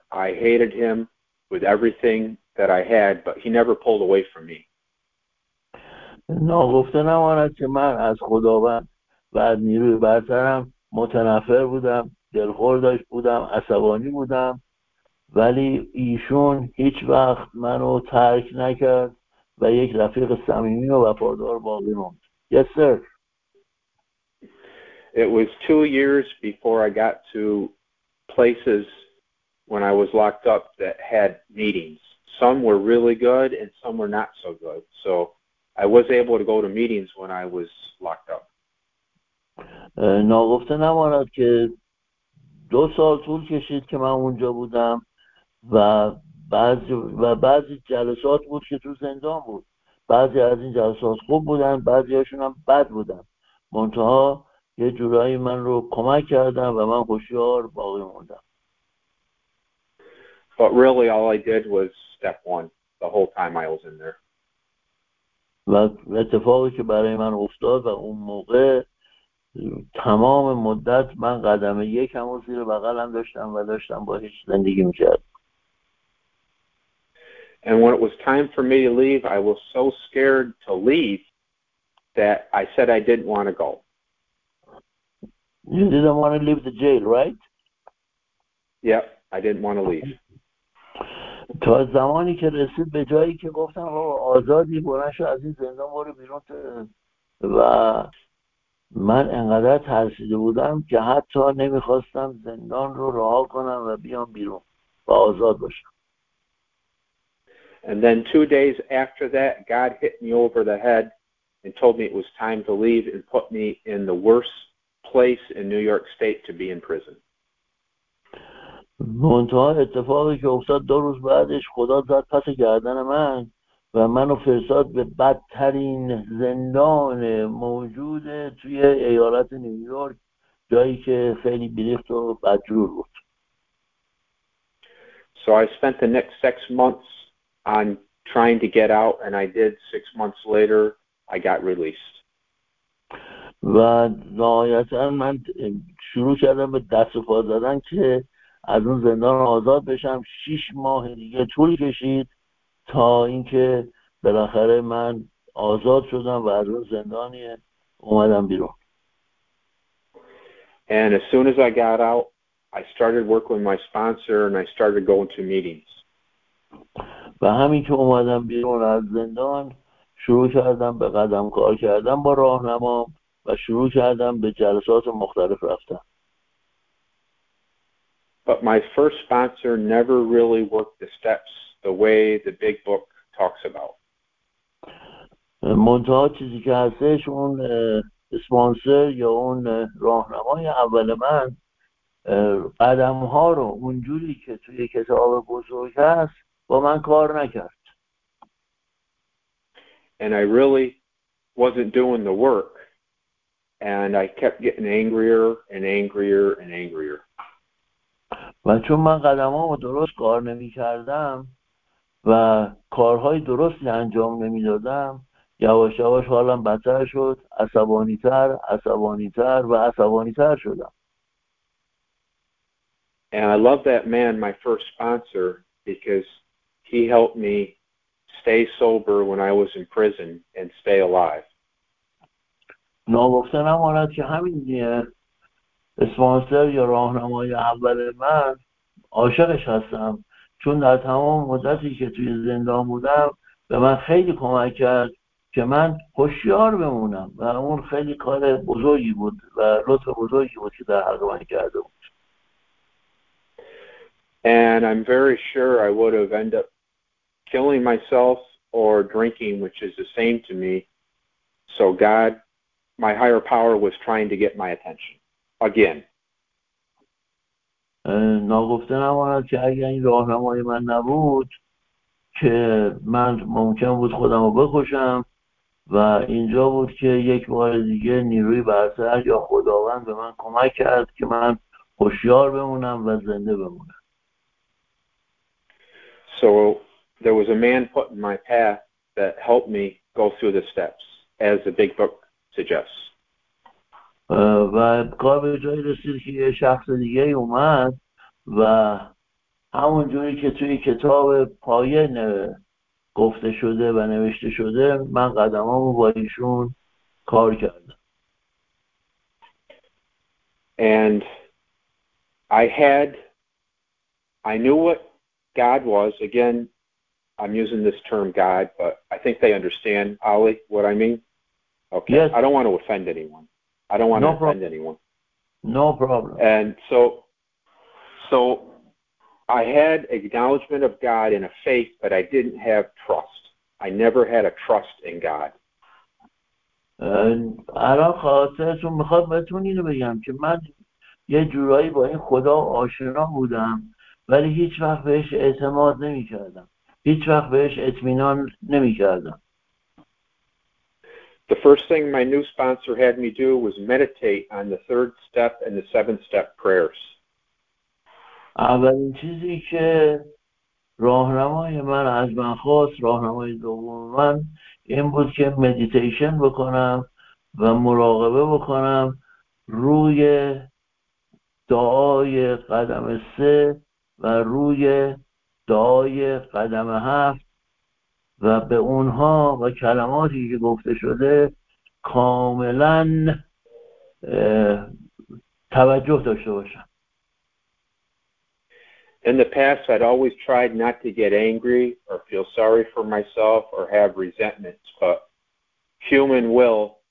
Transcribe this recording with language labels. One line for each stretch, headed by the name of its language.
English: I hated him with everything that I had, but he never pulled away from me.
Persian: نه گفته نماند که من از خداوند و از نیروی برترم متنفر بودم، دلخور داشت بودم، عصبانی بودم، ولی ایشون هیچ وقت منو ترک نکرد و یک رفیق صمیمی و وفادار باقی موند.
English: Yes, sir. It was 2 years before I got to places when I was locked up that had meetings. Some were really good and some were not so good. So I was able to go to meetings when I was locked up.
Persian: ناگفته نماند که 2 سال طول کشید که من اونجا بودم و بعضی جلسات بود که تو زندان بود. بعضی از این جلسات خوب بودن، بعضی هاشون هم بد بودن. منتها یه جورایی من رو کمک کردن و من هوشیار باقی موندم.
English: But really all I did was step one the whole time I was in there.
Persian: و اتفاقی که برای من افتاد و اون موقع تمام مدت من قدم یک هم زیر بغلم داشتم و داشتم با هیچ زندگی می‌کردم.
English: And when it was time for me to leave, I was so scared to leave that I said I didn't want to go. You didn't want to leave the jail, right? Yep, I didn't want to leave.
Persian: تا زمانی که رسید به جایی که گفتم آزادی برنشو از این زندان برو بیرون و من انقدر ترسیده بودم که حتی نمیخواستم زندان رو رها کنم و بیام بیرون و آزاد باشم.
English: And then 2 days after that, God hit me over the head and told me it was time to leave and put me in the worst place in New York State to be in prison.
Persian: منتها اتفاقی که افتاد 2 روز بعدش خدا زد پس گردن من و منو فرستاد به بدترین زندان موجود توی ایالت نیویورک جایی که خیلی بیریخت و بدجور بود.
English: So I spent the next 6 months on trying to get out, and I did. 6 months later, I got released.
Persian: و نهایتا من شروع کردم به دست و پا زدن که از اون زندان آزاد بشم. 6 ماه دیگه طول کشید تا اینکه بالاخره من آزاد شدم و از اون زندانی اومدم بیرون.
English: And as soon as I got out, I started working with my sponsor and I started going to meetings.
Persian: و همین که اومدم بیرون از زندان شروع کردم به قدم کار کردم با راهنما و شروع کردم به جلسات مختلف رفتم.
English: But my first sponsor never really worked the steps the way the big book talks about.
Persian: منتها چیزی که هستش اون سپانسر یا اون راهنمای اول من قدم ها رو اونجوری که توی کتاب بزرگ هست با من کار نکرد.
English: And I really wasn't doing the work and I kept getting angrier and angrier and angrier.
Persian: و چون من قدمامو درست کار نمی کردم و کارهای درستی انجام نمی دادم یواش یواش حالم بدتر شد، عصبانی تر شدم.
English: And I love that man, my first sponsor, because he helped me stay sober when I was in prison and stay alive.
Persian: نگفته نماند که همین دیگه اسپانسر یا راهنمای اول من عاشقش هستم، چون در تمام مدتی که توی زندان بودم به من خیلی کمک کرد که من هوشیار بمونم و اون خیلی کار بزرگی بود و لطف بزرگی بود که در حق من کرده بود.
English: And I'm very sure I would have ended up killing myself or drinking, which is the same to me. So God, my higher power was trying to get my attention. Again.
Persian: ناگفته نماند که اگر این راهنمای من نبود که من ممکن بود خودم رو بکشم و اینجا بود که یک بار دیگه نیروی برتر یا خداوند به من کمک کرد که من هوشیار بمونم و زنده بمونم.
English: So there was a man put in my path that helped me go through the steps as the big book suggests.
Persian: و کار به جایی رسید که یه شخص دیگه اومد و همون جوری که توی کتاب پایه گفته شده و نوشته شده من قدمامو با ایشون کار کردم.
English: And I knew what God was. Again, I'm using this term God, but I think they understand, Ali, what I mean. Okay, yes. I don't want to offend anyone. I don't want no to problem. Offend anyone. No problem. And so I had acknowledgement of God in a faith, but I didn't have trust. I never had a trust in God. And
Persian: الان خاطرتون میخواد بهتون اینو بگم که من یه جورایی با این خدا آشنا بودم ولی هیچ وقت بهش اعتماد نمی کردم. هیچ وقت بهش اطمینان نمی کردم.
English: The first thing my new sponsor had me do was meditate on the third step and the seventh step prayers.
Persian: اولین چیزی که راهنمای من از من خواست، راهنمای دوم من، این بود که مدیتیشن بکنم و مراقبه بکنم روی دعای قدم 3 و روی دعای قدم 7 و به اونها و کلماتی که گفته شده کاملا توجه داشته باشم.
English: In the past I'd always tried not to get angry or feel sorry for myself or have resentments, but human will